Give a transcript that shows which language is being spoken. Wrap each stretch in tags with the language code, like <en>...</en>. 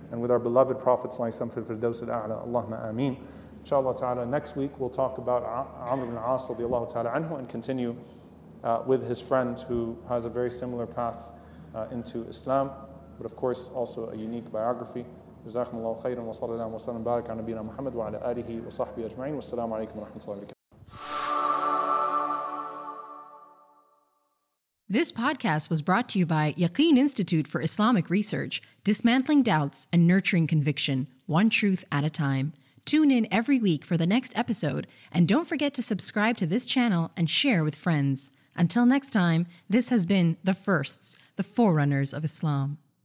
<en>And with our beloved Prophet sallallahu alayhi wa sallam,</en> <ar>fil-firdaws al-a'la, Allahumma ameen.</ar> <en>Inshallah ta'ala, next week we'll talk about Amr ibn al-As radiallahu ta'ala anhu and continue with his friend who has a very similar path into Islam, but of course also a unique biography.</en> <ar>جزاكم الله خيرا وصلى الله وسلم بارك على نبينا محمد وعلى آله وصحبه أجمعين والسلام عليكم ورحمة الله وبركاته.</ar> <en>This podcast was brought to you by Yaqeen Institute for Islamic Research, dismantling doubts and nurturing conviction, one truth at a time. Tune in every week for the next episode, and don't forget to subscribe to this channel and share with friends. Until next time, this has been The Firsts, the forerunners of Islam.</en>